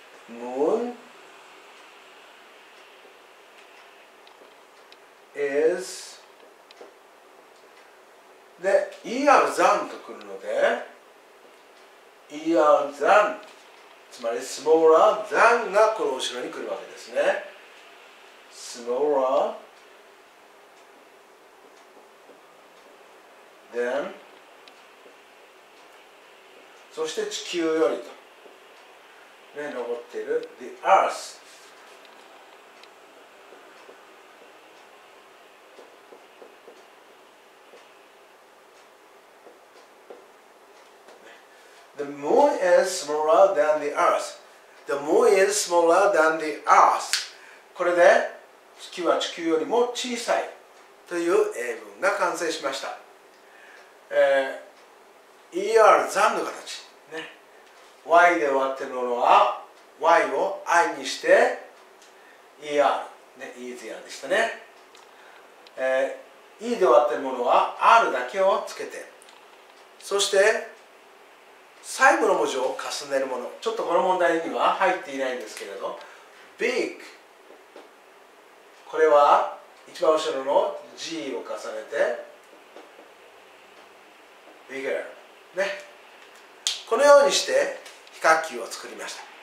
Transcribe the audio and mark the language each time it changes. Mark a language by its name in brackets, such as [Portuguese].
[Japanese] Moon is で er than と来るので er than つまり [English] smaller than [Japanese] がこの後ろに来るわけですね。 Smaller than そして地球よりと。ね、登っている [English] The Earth The moon is smaller than the Earth The moon is smaller than the Earth [Japanese] これで月は地球よりも小さいという英文が完成しました。 ER than の形、ね、Y で終わっているのはY を I にして ER、ね、easier でしたね、 E で終わっているものは R だけをつけてそして最後の文字を重ねるものちょっとこの問題には入っていないんですけれど Big これは一番後ろの G を重ねて Bigger、ね、このようにして比較級を作りました。